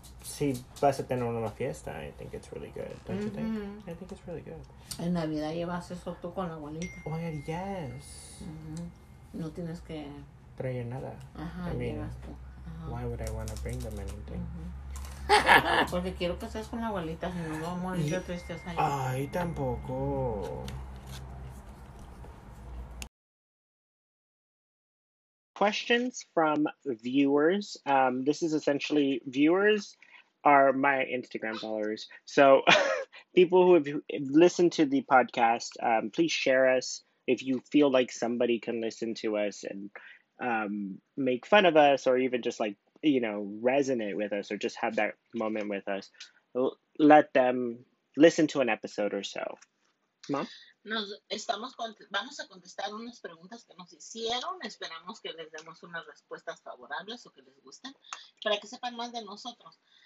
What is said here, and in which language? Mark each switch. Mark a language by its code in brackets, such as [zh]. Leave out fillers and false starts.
[es] Si vas a tener una fiesta, [en] I think it's really good. Don't you think? I think it's really good. [es] En Navidad llevas eso tú con la abuelita. [en] Oh, yes. [es] No tienes que... traer nada. [en] Ajá, I mean, uh-huh. Why would I want to bring them anything? Uh-huh. [es] Porque quiero que estés con la abuelita, si no, vamos a ir otro estés allá. Ay, tampoco. [en] Questions from viewers. This is essentially viewers are my Instagram followers. So people who have listened to the podcast, please share us if you feel like somebody can listen to us and make fun of us, or even just like, you know, resonate with us or just have that moment with us. Let them listen to an episode or so. Mom? [es] Vamos a contestar unas preguntas que nos hicieron. Esperamos que les demos unas respuestas favorables o que les gusten para que sepan más de nosotros.